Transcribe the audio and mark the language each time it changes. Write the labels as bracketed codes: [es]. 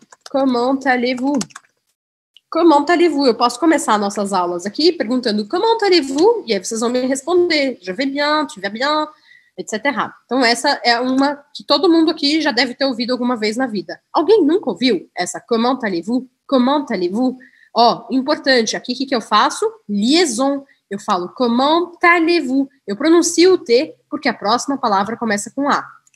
[fr] Comment allez-vous? Comment allez-vous? [pt] Eu posso começar nossas aulas aqui perguntando [fr] comment allez-vous? [pt] E aí vocês vão me responder. [fr] Je vais bien, tu vas bien, etc. [pt] Então essa é uma que todo mundo aqui já deve ter ouvido alguma vez na vida. Alguém nunca ouviu essa [fr] comment allez-vous? Comment allez-vous? [pt] Ó, importante, aqui o que eu faço? Liaison. Eu falo [fr] comment allez-vous? [pt] Eu pronuncio o T porque a próxima palavra começa com A.